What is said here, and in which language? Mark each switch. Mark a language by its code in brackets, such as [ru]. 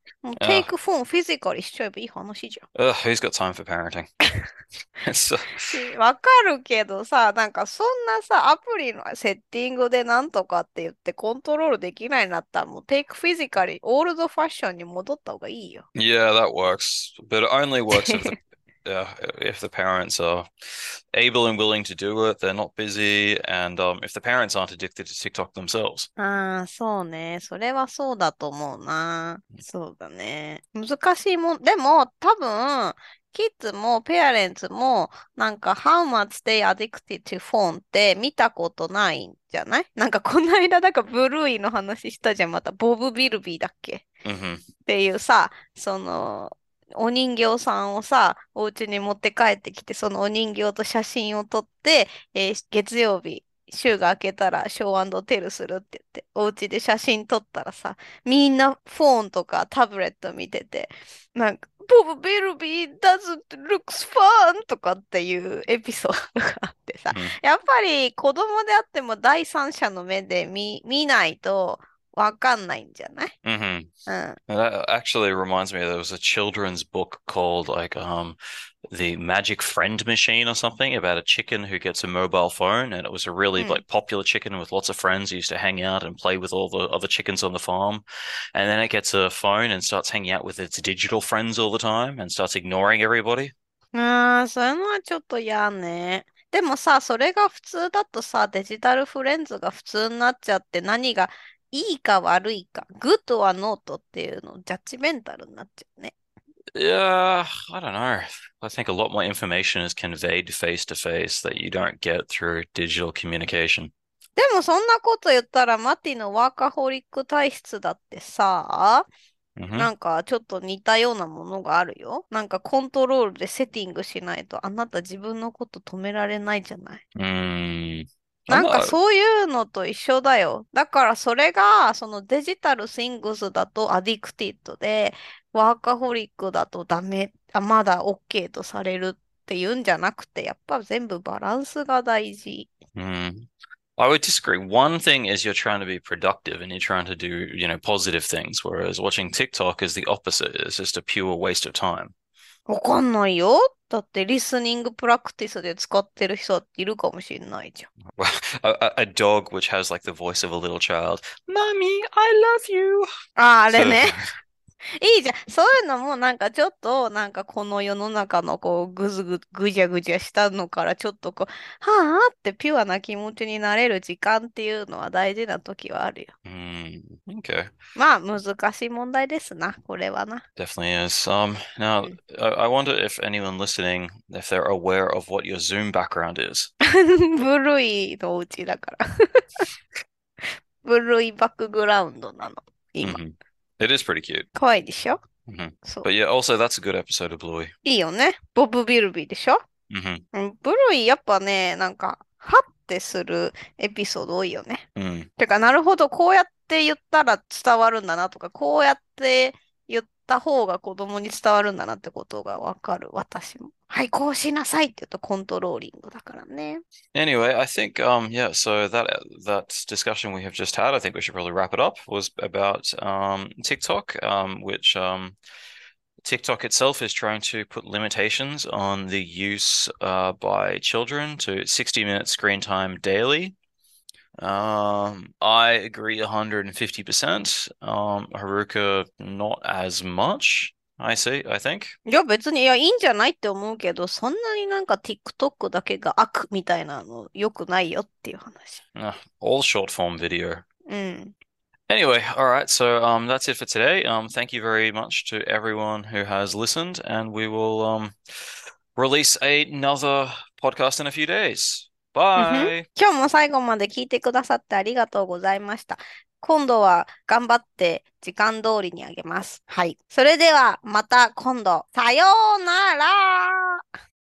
[ja] もうテイクフォンフィジカルしちゃえばいい話じゃん。 [en] Who's got time for parenting? [ja] わ かるけどさ、なんかそんなさ、アプリのセッティングでなんとかって言ってコントロールできないんだったら、もうテイクフィジカル、オールドファッションに戻った方がいいよ。 [en] Yeah, that works, but it only works if the parents are able and willing to do it. They're not busy, and if the parents aren't addicted to TikTok themselves. [ja] ああ、そうね。それはそうだと思うな。そうだね。難しいもん。でも、多分、キッズも、ペアレンツも、なんか、 [en] How much they addicted to phone [ja] って見たことないんじゃない？なんか、こないだ、なんか、ブルーイの話したじゃん。また、ボブ・ビルビーだっけ？っていうさ、その、お人形さんをさ、お家に持って帰ってきて、そのお人形と写真を撮って、月曜日、週が明けたらショー&テルするって言って、お家で写真撮ったらさ、みんなフォンとかタブレット見てて、なんか、ボブ・ビルビー [en] doesn't looks fun [ja] とかっていうエピソードがあってさ、やっぱり子供であっても第三者の目で見ないとわかんないんじゃない？ [en] And that actually reminds me, there was a children's book called like The Magic Friend Machine or something about a chicken who gets a mobile phone, and it was a really like popular chicken with lots of friends who used to hang out and play with all the other chickens on the farm. And then it gets a phone and starts hanging out with its digital friends all the time and starts ignoring everybody. [ja] ああ、それはちょっと嫌ね。でもさ、それが普通だとさ、デジタルフレンズが普通になっちゃって、何がいいか悪いか、グッドはノートっていうの、ジャッジメンタルになっちゃうね。 [en] Yeah, I don't know. I think a lot more information is conveyed face to face that you don't get through digital communication. [ja] でもそんなこと言ったら、マティのワーカホリック体質だってさ、なんかちょっと似たようなものがあるよ。なんかコントロールでセッティングしないとあなた自分のこと止められないじゃない。なんかそういうのと一緒だよ。だからそれがそのデジタルシングスだとアディクティッドで、ワーカホリックだとダメ、あ、まだ OK とされるっていうんじゃなくて、やっぱ全部バランスが大事。 [en] I would disagree. One thing is you're trying to be productive and you're trying to do, you know, positive things, whereas watching TikTok is the opposite. It's just a pure waste of time. [ja] わかんないよ。だって、リスニングプラクティスで使ってる人っているかもしれないじゃん。 [en] a dog which has like the voice of a little child. Mommy, I love you! [ja] あ、あれね。いいじゃん。そういうのもなんかちょっとなんかこの世の中のこうぐずぐぐじゃぐじゃしたのからちょっとこう、はぁーってピュアな気持ちになれる時間っていうのは大事な時はあるよ。 [en] Okay. [ja] まあ難しい問題ですな、これはな。 [en] Definitely is. Now, I wonder if anyone listening, if they're aware of what your Zoom background is. [ja] ブルイのお家だから ブルイバックグラウンドなの、今。 [en] It is pretty cute. [ja] 可愛いでしょ？そう。 [en] But yeah, also that's a good episode of Bluey. [ja] いいよね。ボブビルビーでしょ？ブルイやっぱね、なんか、ハッてするエピソード多いよね。てか、なるほど、こうやって言ったら伝わるんだなとか、こうやって言った方が子供に伝わるんだなってことがわかる、私も。はい、こうしなさいって言うとコントローリングだからね。 [en] Anyway, I think, yeah, so that discussion we have just had, I think we should probably wrap it up, was about TikTok, which TikTok itself is trying to put limitations on the use by children to 60-minute screen time daily. I agree 150%. Haruka, not as much. I see, I think. [ja] いや別にいやいいんじゃないって思うけど、そんなになんか TikTok だけが悪みたいなのよくないよっていう話。 [en] All short form video. Anyway, all right, so that's it for today. Thank you very much to everyone who has listened, and we will release another podcast in a few days. Bye! [ja] 今日も最後まで聞いてくださってありがとうございました。今度は頑張って時間通りにあげます。はい。それではまた今度。さようなら。